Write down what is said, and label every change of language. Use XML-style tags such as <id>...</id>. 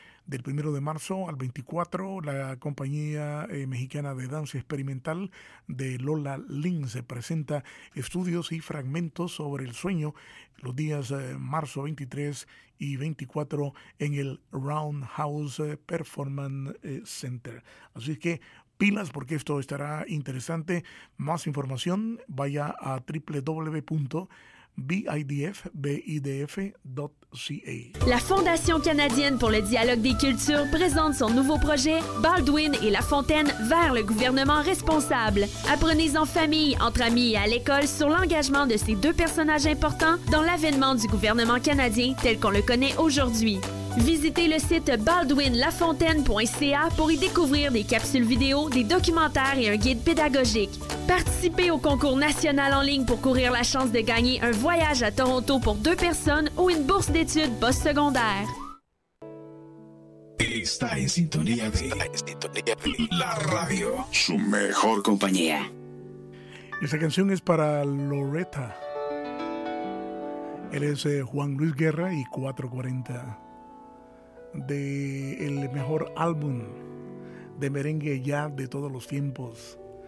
<es>Del 1 de marzo al 24, la compañía mexicana de danza experimental de Lola Lince presenta estudios y fragmentos sobre el sueño los días marzo 23 y 24 en el Roundhouse Performance Center. Así es que pilas, porque esto estará interesante. Más información, vaya a www.bidf.ca.</es> <fr>La Fondation canadienne pour le dialogue des cultures présente son nouveau projet Baldwin et la Fontaine vers le gouvernement responsable. Apprenez en famille, entre amis et à l'école sur l'engagement de ces deux personnages importants dans l'avènement du gouvernement canadien tel qu'on le connaît aujourd'hui. Visitez le site baldwinlafontaine.ca pour y découvrir des capsules vidéo, des documentaires et un guide pédagogique. Participez au concours national en ligne pour courir la chance de gagner un voyage à Toronto pour deux personnes ou une bourse d'études postsecondaire.</fr> <es>Está en sintonía de... La radio, su mejor compañía. Esta canción es para Loretta. Él es Juan Luis Guerra y 440... de el mejor álbum de merengue ya de todos los tiempos.</es>